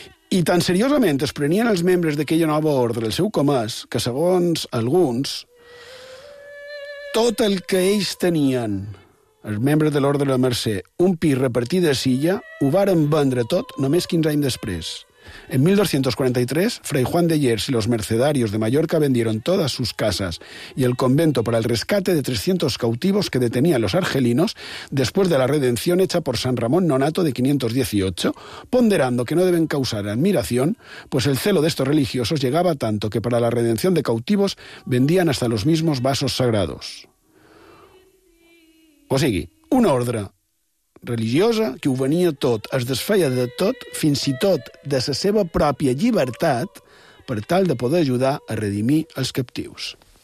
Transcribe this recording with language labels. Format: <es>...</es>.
<ca>I tan seriosament es prenien els membres d'aquella nova ordre el seu comès que, segons alguns, tot el que ells tenien, els membres de l'ordre de la Mercè, un pis repartit de silla, ho varen vendre tot només 15 anys després.</ca> <es>En 1243, Fray Juan de Yers y los mercedarios de Mallorca vendieron todas sus casas y el convento para el rescate de 300 cautivos que detenían los argelinos después de la redención hecha por San Ramón Nonato de 518, ponderando que no deben causar admiración, pues el celo de estos religiosos llegaba tanto que para la redención de cautivos vendían hasta los mismos vasos sagrados.</es> <ca>O sigui, una ordre religiosa que ho venia tot, es desfeia de tot, fins i tot de la seva pròpia llibertat, per tal de poder ajudar a redimir els captius.</ca>